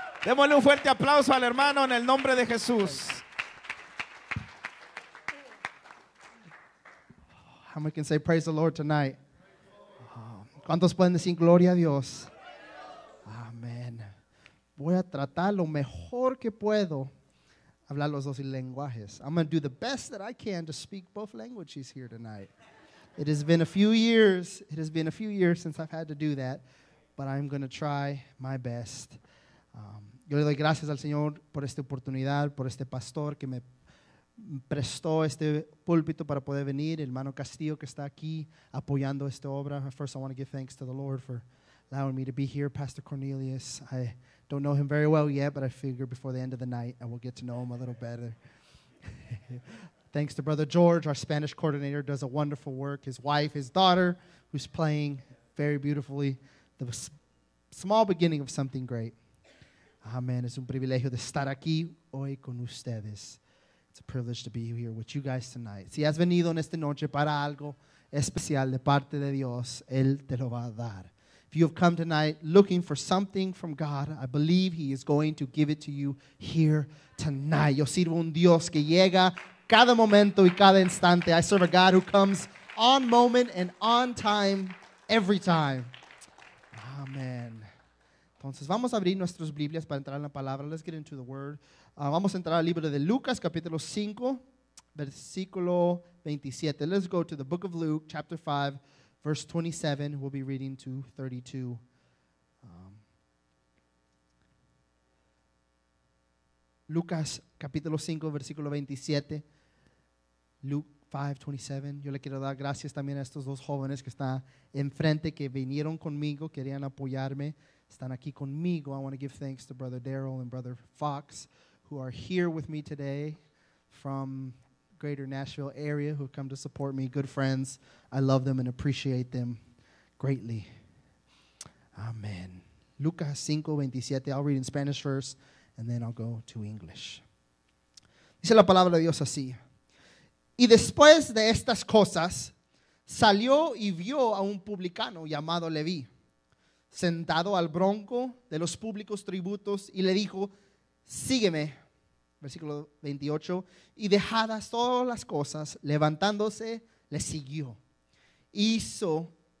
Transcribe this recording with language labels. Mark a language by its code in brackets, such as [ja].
[es] Démosle un fuerte aplauso al hermano en el nombre de Jesús. [en] And we can say praise the Lord tonight. [es] ¿Cuántos pueden decir gloria a Dios? Amen. Voy a tratar lo mejor que puedo hablar los dos lenguajes. [en] I'm going to do the best that I can to speak both languages here tonight. It has been a few years since I've had to do that, but I'm going to try my best. [es] Yo le doy gracias al Señor por esta oportunidad, por este pastor que me prestó este púlpito para poder venir, el hermano Castillo que está aquí apoyando esta obra. [en] First, I want to give thanks to the Lord for allowing me to be here, Pastor Cornelius. I don't know him very well yet, but I figure before the end of the night, I will get to know him a little better. Thanks to Brother George, our Spanish coordinator, does a wonderful work. His wife, his daughter, who's playing very beautifully, the small beginning of something great. Amen. [es] Es un privilegio de estar aquí hoy con ustedes. [en] It's a privilege to be here with you guys tonight. [es] Si has venido en esta noche para algo especial de parte de Dios, Él te lo va a dar. [en] If you have come tonight looking for something from God, I believe He is going to give it to you here tonight. [es] Yo sirvo un Dios que llega cada momento y cada instante. [en] I serve a God who comes on moment and on time every time. Amen. [es] Entonces, vamos a abrir nuestras Biblias para entrar en la palabra. [en] Let's get into the Word. [es] Vamos a entrar al libro de Lucas, capítulo 5, versículo 27. [en] Let's go to the book of Luke, chapter 5, verse 27. We'll be reading to 32. [es] Lucas, capítulo 5, versículo 27. Luke 5, 27. Yo le quiero dar gracias también a estos dos jóvenes que están enfrente, que vinieron conmigo, querían apoyarme. Están aquí conmigo. [en] I want to give thanks to Brother Daryl and Brother Fox, who are here with me today from Greater Nashville area, who come to support me, good friends. I love them and appreciate them greatly. Amen. Lucas 5, 27. I'll read in Spanish first, and then I'll go to English. [es] Dice la palabra de Dios así. Y después de estas cosas, salió y vio a un publicano llamado Leví, sentado al bronco de los públicos tributos, y le dijo, sígueme. Versículo 28, y dejadas todas las cosas, levantándose, le siguió. Hizo